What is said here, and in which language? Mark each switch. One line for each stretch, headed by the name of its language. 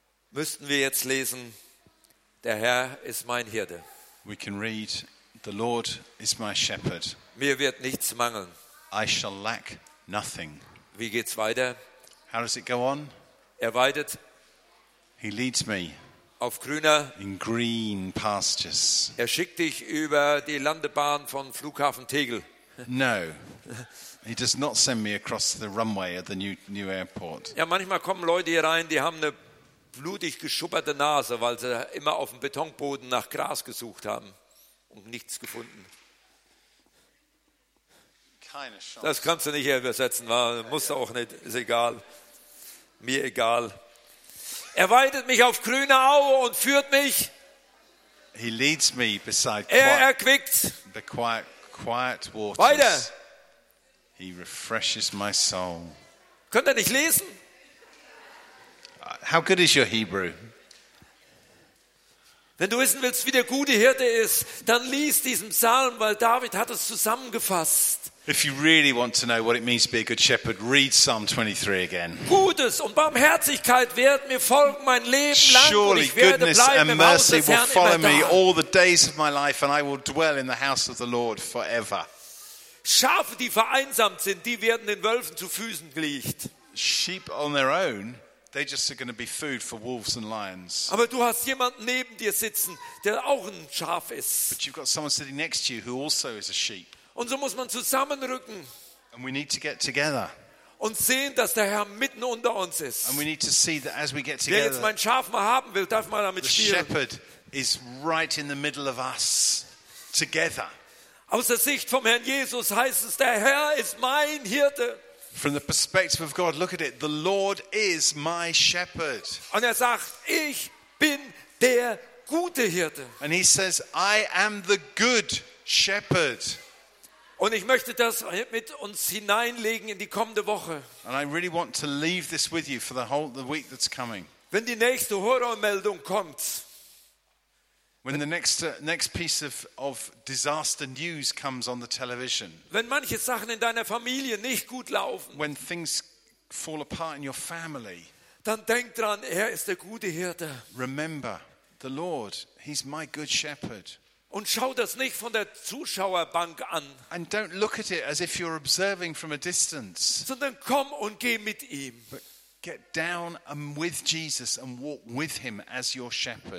German: müssten wir jetzt lesen, der Herr ist mein Hirte.
English: We can read, the Lord is my shepherd.
German: Mir wird nichts mangeln.
English: I shall lack nothing.
German: Wie geht's weiter?
English: How does it go on?
German: Er weidet.
English: He leads me.
German: Auf grüner.
English: In green pastures.
German: Er schickt dich über die Landebahn von Flughafen Tegel.
English: No. He does not send me across the runway at the new airport.
German: Ja, manchmal kommen Leute hier rein, die haben eine blutig geschupperte Nase, weil sie immer auf dem Betonboden nach Gras gesucht haben und nichts gefunden. Das kannst du nicht übersetzen, muss auch nicht, ist egal. Mir egal. Er weidet mich auf grüne Aue und führt mich.
English: He leads me beside
German: er erquickt.
English: The quiet waters.
German: Weiter.
English: He refreshes my soul.
German: Könnt ihr nicht lesen?
English: How good is your Hebrew?
German: Wenn du wissen willst, wie der gute Hirte ist, dann lies diesen Psalm, weil David hat es zusammengefasst.
English: If you really want to know what it means to be a good shepherd, read Psalm 23 again.
German: Gutes und Barmherzigkeit werden mir folgen mein Leben lang.
English: Surely goodness and mercy will follow me all the days of my life, and I will dwell in the house of the Lord forever.
German: Schafe, die vereinsamt sind, die werden den Wölfen zu Füßen gelegt.
English: Sheep on their own, they just are going to be food for wolves and lions.
German: Aber du hast jemanden neben dir sitzen, der auch ein Schaf ist.
English: But you've got someone sitting next to you who also is a sheep.
German: Und so muss man zusammenrücken.
English: And we need to get together.
German: Und sehen, dass der Herr mitten unter uns ist.
English: And we need to see that as we get together.
German: Wer jetzt mein Schaf mal haben will, darf mal damit spielen.
English: The shepherd is right in the middle of us, together.
German: Aus der Sicht vom Herrn Jesus heißt es, der Herr ist mein Hirte.
English: From the perspective of God, look at it. The Lord is my shepherd.
German: Und er sagt, ich bin der gute Hirte.
English: And he says, I am the good shepherd.
German: Und ich möchte das mit uns hineinlegen in die kommende Woche.
English: And I really want to leave this with you for the week that's coming.
German: Wenn die nächste Horrormeldung kommt.
English: When the next piece of disaster news comes on the television.
German: Wenn manche Sachen in deiner Familie nicht gut laufen.
English: When things fall apart in your family.
German: Dann denk dran, er ist der gute Hirte.
English: Remember, the Lord, he's my good shepherd.
German: Und schau das nicht von der Zuschauerbank an.
English: And don't look at it as if you're observing from a distance.
German: Sondern komm und geh mit ihm.
English: But get down and with Jesus and walk with him as your shepherd.